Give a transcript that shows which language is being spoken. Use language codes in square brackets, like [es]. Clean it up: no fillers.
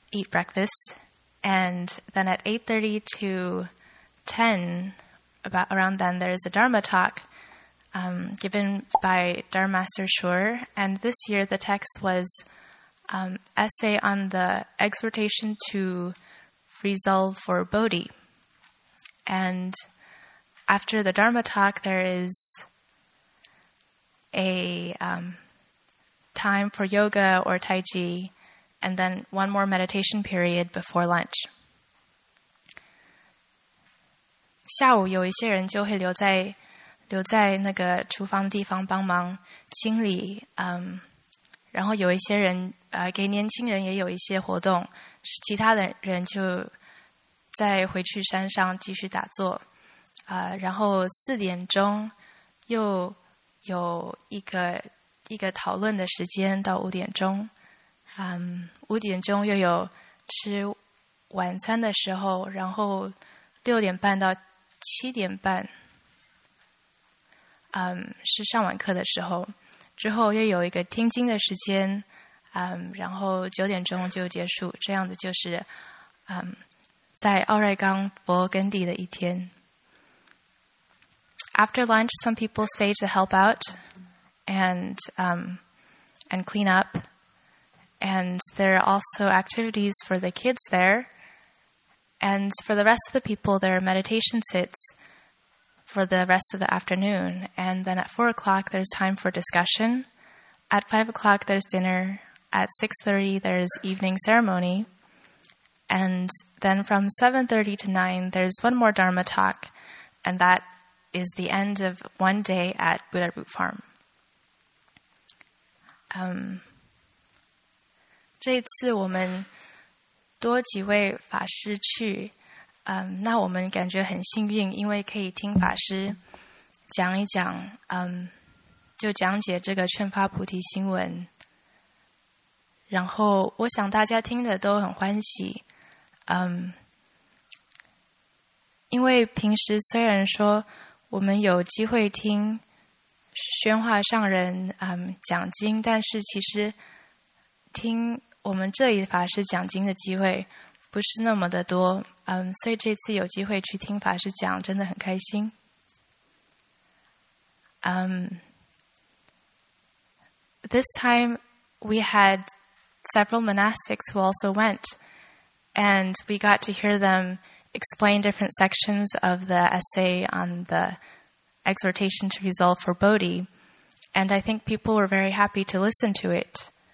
[en] breakfast, and then at 8:30 to 10, about around then, there's a Dharma talk given by Dharma Master Shur, and this year the text was essay on the exhortation to resolve for Bodhi. And after the Dharma talk, there is a time for yoga or tai chi, and then one more meditation period before lunch. [zh] 下午有一些人就会留在那个厨房地方帮忙清理，然后有一些人给年轻人也有一些活动，其他的人就。再回去山上继续打坐，然后四点钟又有一个讨论的时间到五点钟，五点钟又有吃晚餐的时候，然后六点半到七点半，是上完课的时候，之后又有一个听经的时间，然后九点钟就结束，这样子就是，在奥瑞冈勃艮第的一天。 [en] After lunch, some people stay to help out and clean up. And there are also activities for the kids there. And for the rest of the people, there are meditation sits for the rest of the afternoon. And then at 4 o'clock, there's time for discussion. At 5 o'clock, there's dinner. At 6:30, there's evening ceremony. And then from 7:30 to 9, there's one more Dharma talk. And that is the end of one day at Buddha Root Farm. [zh] 这一次我们多几位法师去，那我们感觉很幸运，因为可以听法师讲一讲，就讲解这个劝发菩提心文。然后我想大家听的都很欢喜，因为平时虽然说我们有机会听宣化上人讲经，但是其实听我们这里法师讲经的机会不是那么的多，所以这次有机会去听法师讲真的很开心。 [en] This time we had several monastics who also went, and we got to hear them explain different sections of the essay on the exhortation to resolve for Bodhi, and I think people were very happy to listen to it.